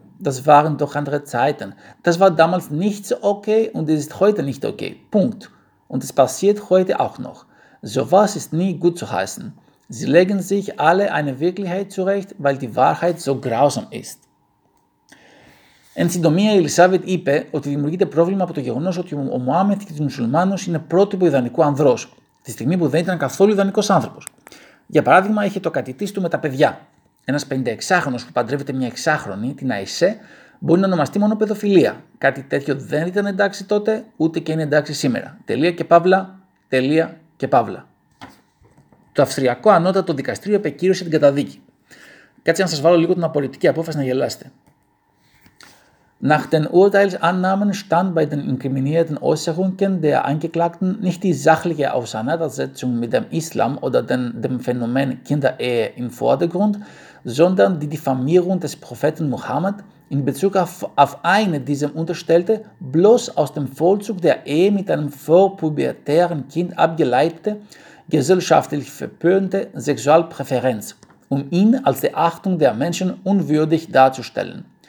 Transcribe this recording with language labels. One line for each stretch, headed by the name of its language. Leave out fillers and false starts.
German: Das waren doch andere Zeiten. Das war damals nicht so okay und es ist heute nicht okay. Punkt. Und es passiert heute auch noch. Sowas ist nie gut zu heißen. Sie legen sich alle eine Wirklichkeit zurecht, weil die Wahrheit so grausam ist.
Greek: Εν συντομία, η Ελισάβετ είπε ότι δημιουργείται πρόβλημα από το γεγονός ότι ο Μωάμεθ και ο Μουσουλμάνος είναι πρότυπο ιδανικού ανδρός, τη στιγμή που δεν ήταν καθόλου ιδανικός άνθρωπος. Για παράδειγμα, είχε το κατητής του με τα παιδιά. Ένας 56χρονος που παντρεύεται μια 6χρονη, την Αϊσέ, μπορεί να ονομαστεί μόνο παιδοφιλία. Κάτι τέτοιο δεν ήταν εντάξει τότε, ούτε και είναι εντάξει σήμερα. Τελεία και παύλα, τελεία και παύλα. Το Αυστριακό Ανώτατο Δικαστήριο επεκύρωσε την καταδίκη. Κάτσε να σας βάλω λίγο την απορριπτική απόφαση να γελάσετε.
German: Nach den Urteilsannahmen stand bei den inkriminierten Äußerungen der Angeklagten nicht die sachliche Auseinandersetzung mit dem Islam oder dem Phänomen Kinderehe im Vordergrund, sondern die Diffamierung des Propheten Mohammed in Bezug auf eine diesem unterstellte, bloß aus dem Vollzug der Ehe mit einem vorpubertären Kind abgeleitete, gesellschaftlich verpönte Sexualpräferenz, um ihn als die Achtung der Menschen unwürdig darzustellen.